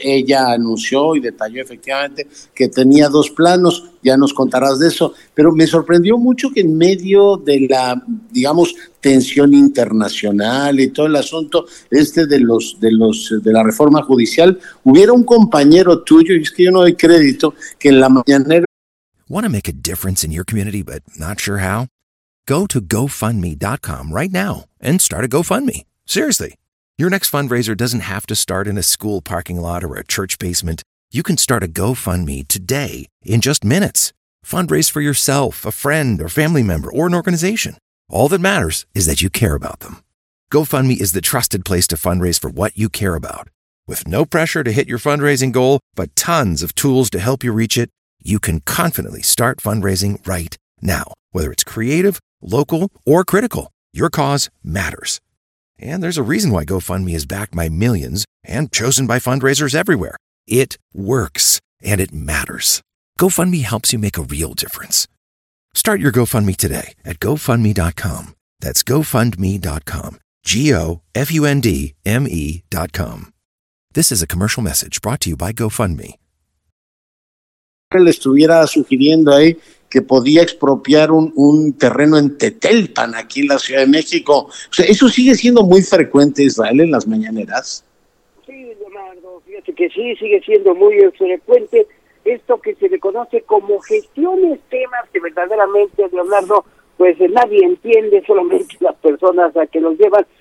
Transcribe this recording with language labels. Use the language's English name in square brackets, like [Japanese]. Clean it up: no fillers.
[Spanish] Ella anunció y detalló efectivamente que tenía dos planos, ya nos contarás de eso, pero me sorprendió mucho que en medio de la, digamos, tensión internacional y todo el asunto este de la reforma judicial, hubiera un compañero tuyo, y es que yo no doy crédito, que en la mañanera... [English] Want to make a difference in your community, but not sure how? Go to GoFundMe.com right now and start a GoFundMe. Seriously, your next fundraiser doesn't have to start in a school parking lot or a church basement. You can start a GoFundMe today in just minutes. Fundraise for yourself, a friend, or family member, or an organization. All that matters is that you care about them. GoFundMe is the trusted place to fundraise for what you care about. With no pressure to hit your fundraising goal, but tons of tools to help you reach it, you can confidently start fundraising right now, whether it's creative, local, or critical, your cause matters. And there's a reason why GoFundMe is backed by millions and chosen by fundraisers everywhere. It works, and it matters. GoFundMe helps you make a real difference. Start your GoFundMe today at GoFundMe.com. That's GoFundMe.com. GoFundMe.com. This is a commercial message brought to you by GoFundMe. [Spanish] Le estuviera sugiriendo ahí que podía expropiar un terreno en Tetelpan, aquí en la Ciudad de México. O sea, ¿eso sigue siendo muy frecuente, Israel, en las mañaneras? Sí, Leonardo, fíjate que sí, sigue siendo muy frecuente esto que se le conoce como gestiones, temas que verdaderamente, Leonardo, pues nadie entiende, solamente las personas a que los llevan.